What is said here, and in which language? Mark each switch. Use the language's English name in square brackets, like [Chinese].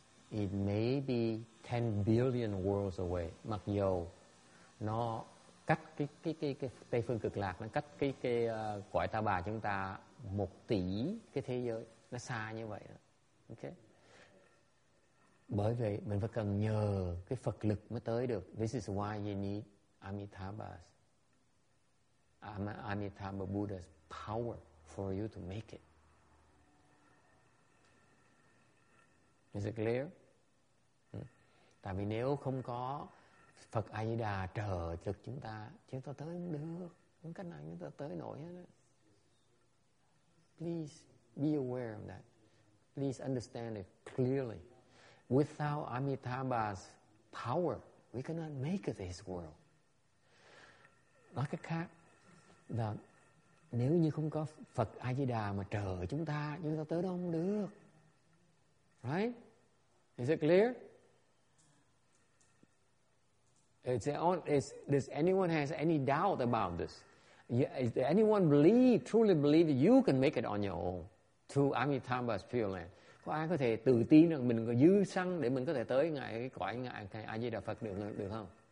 [English] It may be 10 billion worlds away. [Vietnamese] Mặc dù nó cách cái Tây Phương Cực Lạc, nó cách cái cõi ta bà chúng ta 1 tỷ cái thế giới. Nó xa như vậy đó. Okay. Bởi vậy mình phải cần nhờ cái Phật lực mới tới được. [English] This is why you need Amitabha's. Amitabha Buddha's power for you to make it. Is it clear? [Vietnamese] Tại vì nếu không có Phật A Di Đà trợ lực chúng ta tới không được, không cách nào chúng ta tới nổi hết. [English] Please be aware of that. Please understand it clearly. Without Amitabha's power, we cannot make it this world. [Vietnamese] Nói cách khác, là nếu như không có Phật A Di Đà mà trợ chúng ta tới đâu không được. [English] Right? Is it clear? Does anyone has any doubt about this? Is there anyone truly believe that you can make it on your own to Amitabha's Pure Land? [Vietnamese] Có ai có thể tự tin rằng mình có dư xăng để mình có thể tới ngài cái cõi ngài A Di Đà Phật được không?